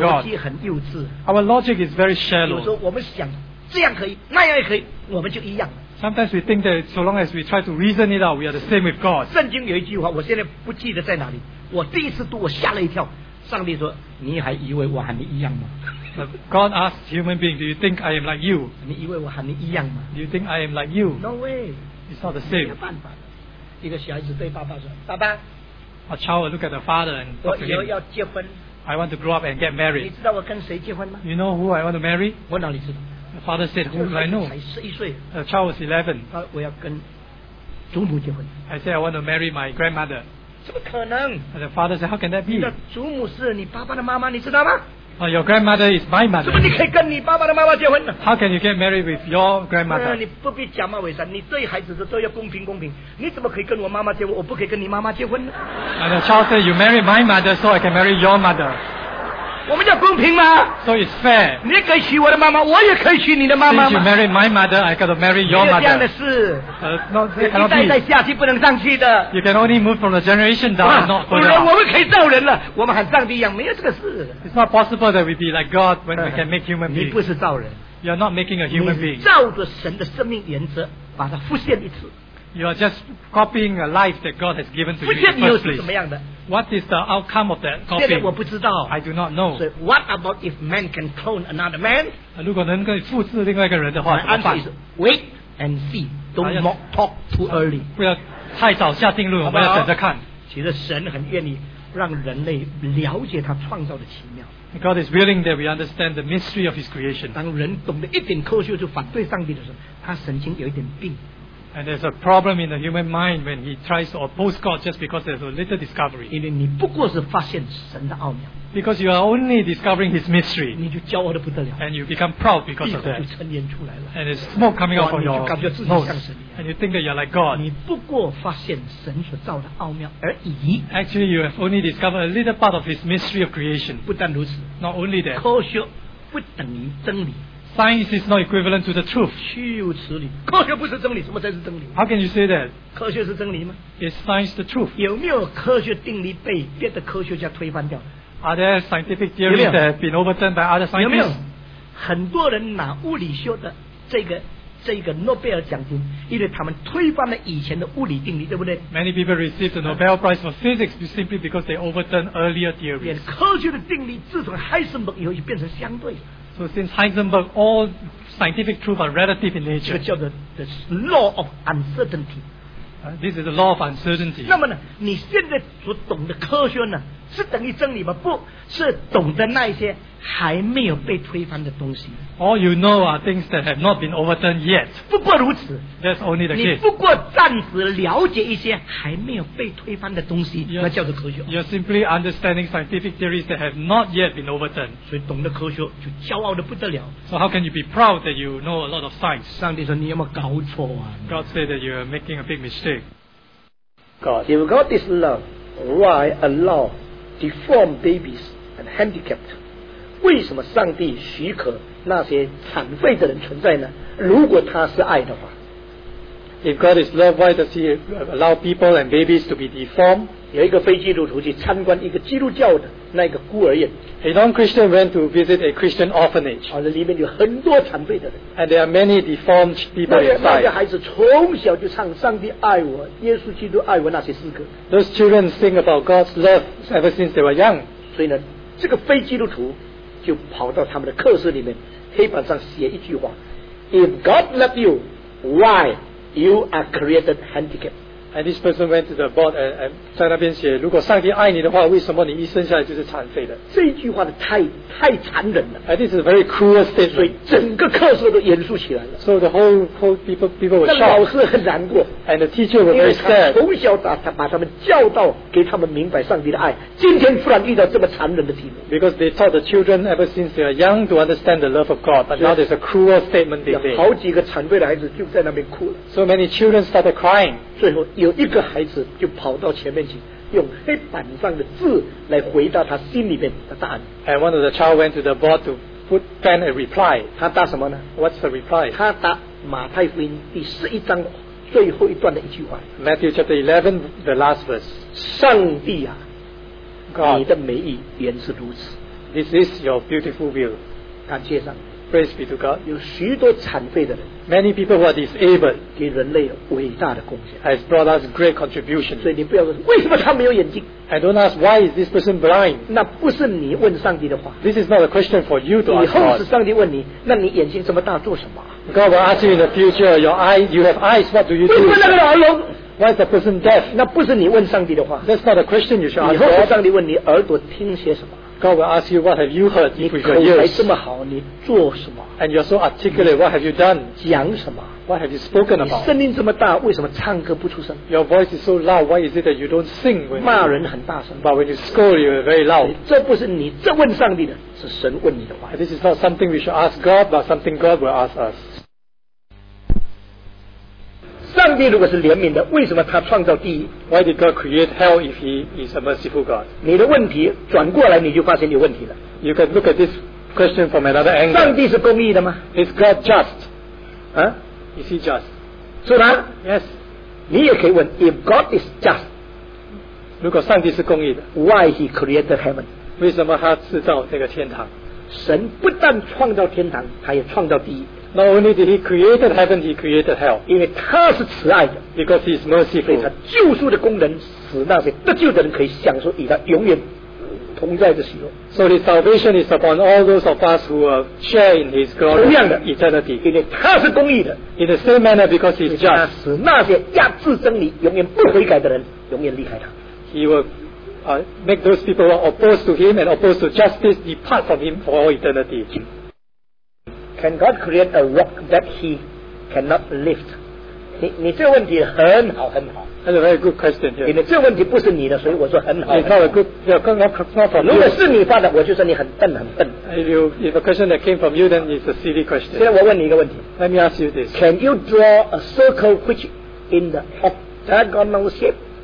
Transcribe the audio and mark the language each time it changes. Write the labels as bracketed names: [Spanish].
[Chinese] 我们的逻辑很幼稚。 [English] Our logic is very shallow. [Chinese] 有时候我们想这样可以，那样也可以，我们就一样。 [English] Sometimes we think that so long as we try to reason it out, we are the same with God. [Chinese] 圣经有一句话，我现在不记得在哪里。我第一次读，我吓了一跳。上帝说：“你还以为我和你一样吗？” [English] God asked human being, "Do you think I am like you?" [Chinese] 你以为我和你一样吗 [English] ？Do you think I am like you? No way. It's not the same. [Chinese] 没有办法的。一个小孩子对爸爸说：“爸爸 [English] ，A child will look at the father and talk to him. [Chinese] 我以后要结婚。 [English] I want to grow up and get married. [Chinese] 你知道我跟谁结婚吗 [English] ？You know who I want to marry? [Chinese] 我哪里知道 [English] ？The father said, "Who do I know?" [Chinese] 才11岁。 [English] The child was 11. [Chinese] 他我要跟祖母结婚。 [English] I said, "I want to marry my grandmother." [Chinese] 怎么可能 [English] ？The father said, "How can that be?" [Chinese] 你的祖母是你爸爸的妈妈，你知道吗？ [English] Your grandmother is my mother. [Chinese] 怎么你可以跟你爸爸的妈妈结婚呢 [English] ？How can you get married with your grandmother？ [Chinese] 你不必假冒伪善，你对孩子的都要公平公平。你怎么可以跟我妈妈结婚？我不可以跟你妈妈结婚呢 [English] ？And the child said, "You marry my mother, so I can marry your mother." [Chinese] 我们叫公平吗 [English] ？So it's fair. [Chinese] 你可以娶我的妈妈，我也可以娶你的妈妈。 [English] Since you marry my mother, I got to marry your mother. [Chinese] 这样的事，一代下去不能上去的。 [English] You can only move from the generation down, not further. [Chinese] 我们可以造人了，我们和上帝一样，没有这个事。 [English] It's not possible that we be like God when we can make human beings. [Chinese] 你不是造人。 [English] You're not making a human being. [Chinese] 你照着神的生命原则把它复现一次。 [English] You are just copying a life that God has given to you. [Chinese] 复现又是怎么样的？ [English] What is the outcome of that copying? [Chinese] 我不知道。 [English] I do not know. So what about if man can clone another man? [Chinese] 如果能够复制另外一个人的话，怎么办 [English] ？Wait and see. Don't mock talk too early. [Chinese] 不要太早下定论，我们要等着看。其实神很愿意让人类了解他创造的奇妙。 [English] God is willing that we understand the mystery of His creation. [Chinese] 当人懂得一点科学就反对上帝的时候，他神经有一点病。 [English] And there's a problem in the human mind when he tries to oppose God just because there's a little discovery. [Chinese] 因为你不过是发现神的奥妙。 [English] Because you are only discovering his mystery. [Chinese] 你就骄傲得不得了。 [English] And you become proud because of that. [Chinese] 就呈现出来了。 [English] And there's smoke coming out from your nose. [Chinese] 你就感觉自己像神一样。 [English] And you think that you're like God. [Chinese] 你不过发现神所造的奥妙而已。 [English] Actually, you have only discovered a little part of his mystery of creation. [Chinese] 不但如此。 [English] Not only that. [Chinese] 科学不等于真理。 [English] Science is not equivalent to the truth. [Chinese] 虚有此理，科学不是真理，什么才是真理 [English] ？How can you say that? [Chinese] 科学是真理吗 [English] ？Is science the truth? [Chinese] 有没有科学定律被别的科学家推翻掉 [English] ？Are there scientific theories that have been overturned by other scientists? [Chinese] 有没有很多人拿物理学的这个这个诺贝尔奖金，因为他们推翻了以前的物理定律，对不对 [English] ？Many people received the Nobel Prize for Physics simply because they overturned earlier theories. [Chinese] 科学的定律自从海森堡以后就变成相对。 [English] So since Heisenberg, all scientific truths are relative in nature. [Chinese] 这个叫做 [English] the law of uncertainty. This is the law of uncertainty. [Chinese] 那么呢，你现在所懂的科学呢，是等于真理吗？不是，懂得那些还没有被推翻的东西。 [English] All you know are things that have not been overturned yet. [Chinese] 不过如此。 [English] That's only the case. [Chinese] 你不过暂时了解一些还没有被推翻的东西，那叫做科学。 [English] You're simply understanding scientific theories that have not yet been overturned. [Chinese] 所以懂得科学就骄傲的不得了。 [English] So how can you be proud that you know a lot of science? [Chinese] 上帝说你有没有搞错啊 [English] ？God said that you're making a big mistake. God, if God is love, why allow deformed babies and handicapped? [Chinese] 为什么上帝许可那些残废的人存在呢？如果他是爱的话 [English] ，If God is love, why does He allow people and babies to be deformed? [Chinese] 有一个非基督徒去参观一个基督教的那个孤儿院 [English] ，A non-Christian went to visit a Christian orphanage. [Chinese] 而里面有很多残废的人 [English] ，And there are many deformed people inside. [Chinese] 那个孩子从小就唱“上帝爱我，耶稣基督爱我”那些诗歌 [English] ，Those children sing about God's love ever since they were young. [Chinese] 所以呢，这个非基督徒。就跑到他们的课室里面黑板上写一句话 [English] If God loved you, why you are created handicapped? And this person went to the board and [Chinese] 在那边写如果上帝爱你的话为什么你一生下来就是残废的这一句话的太残忍了 [English] And this is a very cruel statement [Chinese] 所以整个课室都严肃起来了 [English] So the whole people were shocked [Chinese] 那老师很难过 [English] And the teacher was very sad [Chinese] 因为他从小把他们教导给他们明白上帝的爱今天突然遇到这么残忍的题目 [English] Because they taught the children ever since they are young to understand the love of God But now there's a cruel statement they made [Chinese] 好几个残废的孩子就在那边哭了 [English] So many children started crying [Chinese] 最后有一个孩子就跑到前面去用黑板上的字来回答他心里面的答案 [English] And one of the child went to the board to put pen a reply [Chinese] 他答什么呢 [English] What's the reply [Chinese] 他答马太福音第十一章最后一段的一句话 [English] Matthew chapter 11 the last verse [Chinese] 上帝啊 [English] God, [Chinese] 你的美意原是如此 [English] This is your beautiful will [Chinese] 感谢上 [English] 帝 Praise be to God [Chinese] 有许多残废的人 [English] Many people who are disabled [Chinese] 给人类伟大的贡献 [English] has brought us great contribution. [Chinese] 所以你不要问为什么他没有眼睛 [English] And don't ask why is this person blind. [Chinese] 那不是你问上帝的话 [English] This is not a question for you to ask. [Chinese] 以后是上帝问你，那你眼睛这么大做什么 [English] ？God will ask you in the future. Your eye, you have eyes. What do you do? [Chinese] 为什么那个耳聋 [English] ？Why is the person deaf? [Chinese] 那不是你问上帝的话。 [English] That's not a question you should ask. [Chinese] 以后是上帝问你耳朵听些什么。 [English] God will ask you, what have you heard? [Chinese] 你口才这么好，你做什么 [English] ？And you're so articulate. What have you done? [Chinese] 讲什么 [English] ？What have you spoken about? [Chinese] 你声音这么大，为什么唱歌不出声 [English] ？Your voice is so loud. Why is it that you don't sing? [Chinese] 骂人很大声 [English] ，But when you scold, you're very loud. [Chinese] 这不是你，这问上帝的，是神问你的话。 [English] This is not something we should ask God, but something God will ask us. [Chinese] 上帝如果是怜悯的，为什么他创造地狱 [English] ？Why did God create hell if He is a merciful God？ [Chinese] 你的问题转过来，你就发现有问题了。 [English] You can look at this question from another angle. [Chinese] 上帝是公义的吗 [English] ？Is God just？啊？Is He just？ [Chinese] 是吗 [English] ？Yes。 [Chinese] 你也可以问 ， [English] If God is just， [Chinese] 如果上帝是公义的 [English] ，Why He created heaven？ [Chinese] 为什么他制造这个天堂？神不但创造天堂，他也创造地狱。 [English] Not only did he create heaven, he created hell. [Chinese] 因为他是慈爱的 [English] because he is merciful. [Chinese] 所以他救赎的功能使那些得救的人可以享受与他永远同在的喜乐 [English] So his salvation is upon all those of us who are share in his glory. [Chinese] 同样的 [English] eternity. [Chinese] 因为他是公义的 [English] in the same manner because he is just. [Chinese] 他使那些压制真理、永远不悔改的人永远离开他 [English] He will make those people who are opposed to him and opposed to justice depart from him for all eternity. Can God create a rock that He cannot lift? [Chinese] 你这个问题很好很好。 [English] That's a very good question. Yeah. [Chinese] 因为这个问题不是你的，所以我说很好。 [English] It's not a good. Yeah, not from you. [Chinese] 如果是你发的，我就说你很笨很笨。 [English] If a question that came from you, then it's a silly question. [Chinese] 现在我问你一个问题。 [English] Let me ask you this. Can you draw a circle which in the hexagonal shape?